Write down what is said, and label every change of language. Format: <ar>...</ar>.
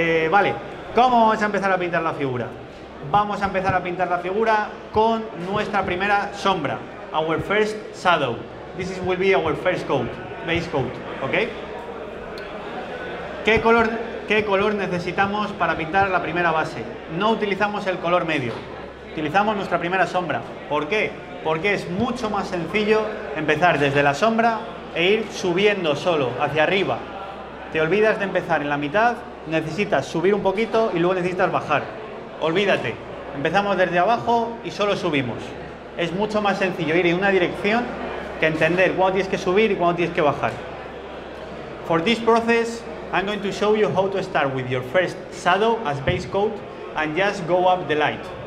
<es>Vale, ¿cómo vamos a empezar a pintar la figura? Vamos a empezar a pintar la figura con nuestra primera sombra.</es> <en>Our first shadow. This is will be our first coat, base coat, okay?</en> <es>¿Qué color necesitamos para pintar la primera base? No utilizamos el color medio, utilizamos nuestra primera sombra. ¿Por qué? Porque es mucho más sencillo empezar desde la sombra e ir subiendo solo hacia arriba. Te olvidas de empezar en la mitad, necesitas subir un poquito y luego necesitas bajar. Olvídate, empezamos desde abajo y solo subimos. Es mucho más sencillo ir en una dirección que entender cuándo tienes que subir y cuándo tienes que bajar.</es> <en>For this process, I'm going to show you how to start with your first shadow as base coat and just go up the light.</en>